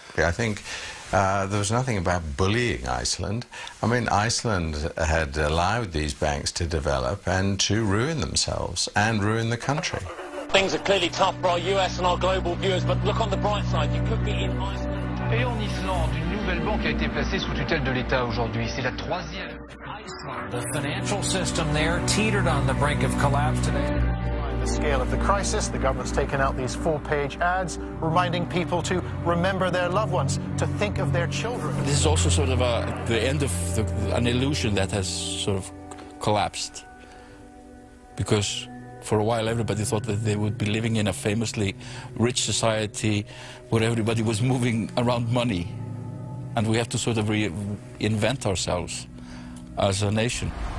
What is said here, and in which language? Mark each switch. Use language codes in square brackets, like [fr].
[en] I think there was nothing about bullying Iceland. I mean, Iceland had allowed these banks to develop and to ruin themselves and ruin the country. Things are clearly tough for our US and our global viewers, but look on the bright side, you could be in Iceland. [fr] Et en Islande, une nouvelle banque a été placée sous tutelle de l'État aujourd'hui. C'est la troisième. [en] Iceland, the financial system there teetered on the brink of collapse today. The scale of the crisis, the government's taken out these four-page ads reminding people to remember their loved ones, to think of their children. This is also sort of the end of an illusion that has sort of collapsed, because for a while everybody thought that they would be living in a famously rich society where everybody was moving around money, and we have to sort of reinvent ourselves as a nation.